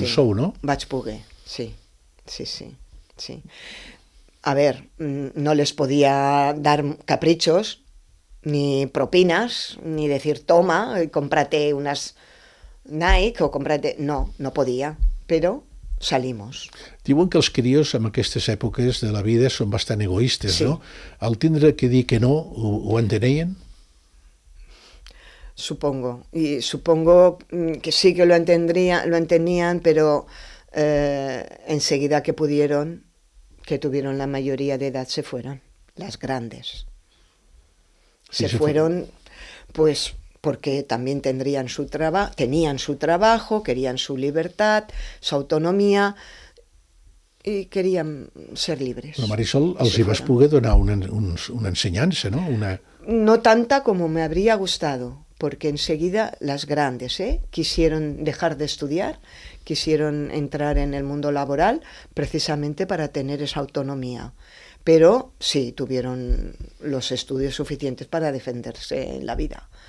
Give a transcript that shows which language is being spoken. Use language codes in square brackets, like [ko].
[ca] un sou, ¿no? Vaig pugue, sí. Sí, sí, sí. [es] A ver, no les podía dar caprichos, ni propinas, ni decir, toma, cómprate unas Nike o cómprate... No, no podía, pero... Salimos. [ca] Diuen que els crios en aquestes èpoques de la vida són bastant egoistes, sí. no? Al tindre que dir que no, ho entenien? [es] Supongo. Y supongo que sí que lo entendían, pero enseguida que pudieron, que tuvieron la mayoría de edad, se fueron. Las grandes. Sí, se fueron, pues... porque también tenían su trabajo, querían su libertad, su autonomía y querían ser libres. [ca] La Marisol, els hi vas poder donar una ensenyança, no? Una... [es] No tanta como me habría gustado, porque enseguida las grandes quisieron dejar de estudiar, quisieron entrar en el mundo laboral precisamente para tener esa autonomía. Pero sí, tuvieron los estudios suficientes para defenderse en la vida.